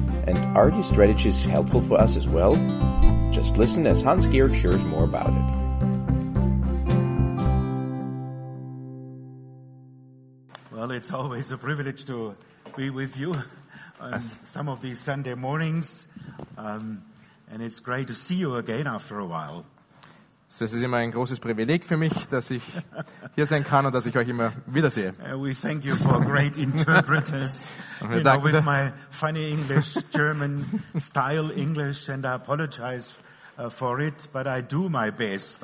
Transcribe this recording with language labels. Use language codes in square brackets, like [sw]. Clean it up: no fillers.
[en] And are these strategies helpful for us as well? Just listen as Hans-Georg shares more about it. Well, it's always a privilege to be with you on some of these Sunday mornings. And it's great to see you again after a while. [de] So es ist immer ein großes Privileg für mich, dass ich hier sein kann und dass ich euch immer wieder sehe. [en] We thank you for great interpreters. You know, with my funny English, German style English, and I apologize for it, but I do my best.